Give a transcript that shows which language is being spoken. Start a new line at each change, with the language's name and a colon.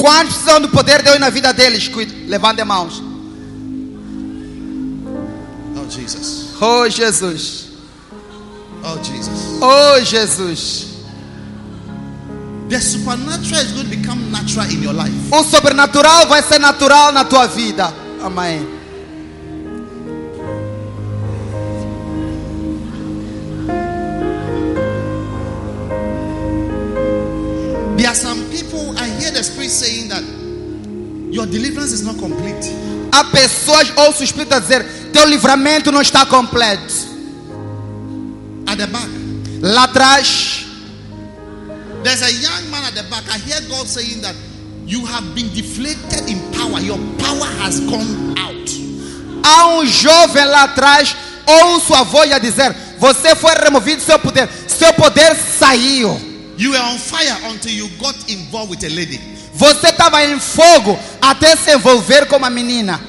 Portuguese: Quantos precisam do poder de Deus na vida deles? Levante as mãos.
English: Oh Jesus. Oh Jesus. Oh Jesus. Oh Jesus. The supernatural is going to become natural in your life.
Portuguese: O sobrenatural vai ser natural na tua vida. Amém.
English: There are some people, I hear the Spirit saying that your deliverance is not complete.
Portuguese: Há pessoas, ouço o Espírito dizer, teu livramento não está completo.
English: At the back.
Portuguese: Lá atrás.
English: There's a young man at the back. I hear God saying that you have been deflated in power. Your power has gone out.
Portuguese: Há jovem lá atrás, ouço a voz a dizer, você foi removido seu poder. Seu poder saiu.
English: You were on fire until you got involved with a lady.
Portuguese: Você estava em fogo até se envolver com uma menina.